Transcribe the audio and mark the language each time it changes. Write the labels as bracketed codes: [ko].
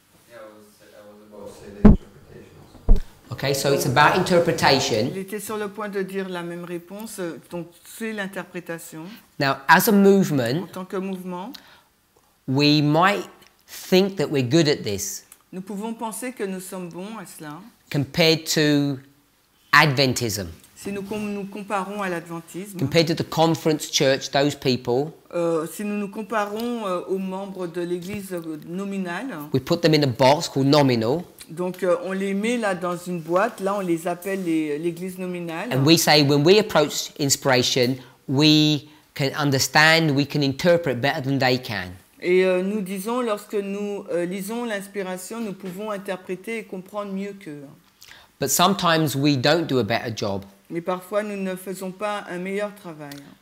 [en] Yeah, I was about to say the interpretation. Okay, so it's about interpretation. [fr] Il était sur le point de dire la même réponse, donc c'est l'interprétation. [en] Now, as a movement, [fr] en tant que mouvement, [en] we might think that we're good at this. [fr] Nous pouvons penser que nous sommes bons à cela. [en] Compared to Adventism. [fr] Si nous comparons à l'adventisme. [en] Compared to the conference church, those people. [fr] Si nous comparons aux membres de l'église nominale. [en] We put them in a box called nominal. [fr] Donc on les met là dans une boîte. Là on les appelle l'église nominale. [en] And we say when we approach inspiration, we can understand, we can interpret better than they can. [fr] Et nous disons, lorsque nous lisons l'inspiration, nous pouvons interpréter et comprendre mieux qu'eux. [en] But sometimes we don't do a better job. [fr] Mais parfois, nous ne faisons pas un meilleur travail.